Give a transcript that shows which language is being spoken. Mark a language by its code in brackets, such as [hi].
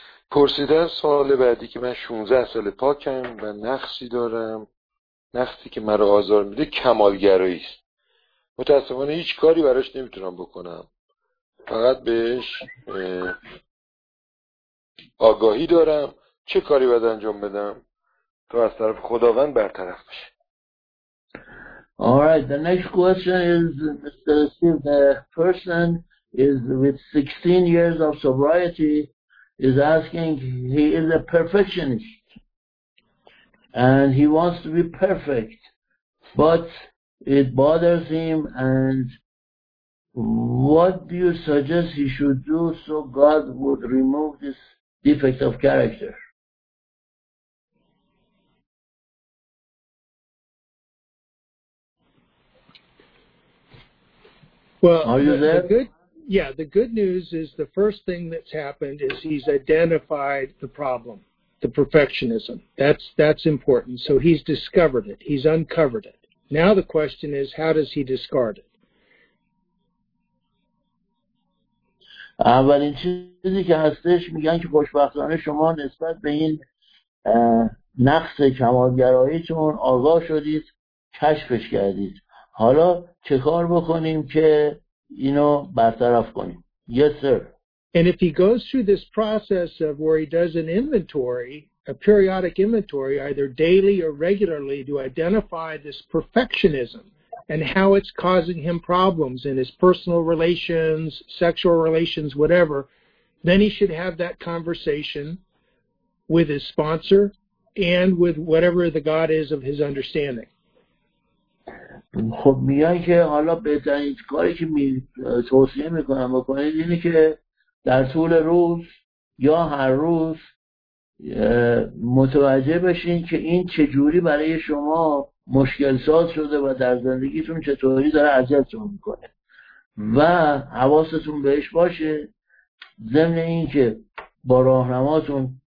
[fa] پرسیدن سوال بعدی که من 16 سال پاکم و نقصی دارم، نقصی که مرا آزار میده کمالگرایی است. متاسفانه هیچ کاری براش نمیتونم بکنم، فقط بهش آگاهی دارم. چه کاری باید انجام بدم تا از طرف خداوند برطرف بشه؟ [en] Alright, the next question is, Mr. Steve, the person is with 16 years of sobriety, is asking, he is a perfectionist and he wants to be perfect, but it bothers him, and what do you suggest he should do so God would remove this defect of character? Well, are you there? The good news is the first thing that's happened is he's identified the problem, the perfectionism. That's important. So he's discovered it. He's uncovered it. Now the question is, how does he discard it? [fa] اولین چیزی که هستش میگن که خوشبختانه شما نسبت به این نقص کمالگراییتون آگاه شدید، کشفش کردید. حالا چه کار بکنیم که اینو برطرف کنیم؟ [en] Yes, sir. And if he goes through this process of where he does an inventory, a periodic inventory, either daily or regularly, to identify this perfectionism and how it's causing him problems in his personal relations, sexual relations, whatever, then he should have that conversation with his sponsor and with whatever the God is of his understanding. [fa] خب میگن که حالا بهترین کاری که می توصیه میکنم بکنید اینه که در طول روز یا هر روز متوجه بشین که این چجوری برای شما مشکل ساز شده و در زندگیتون چطوری داره اذیتتون میکنه و حواستون بهش باشه، ضمن این که با راهنماتون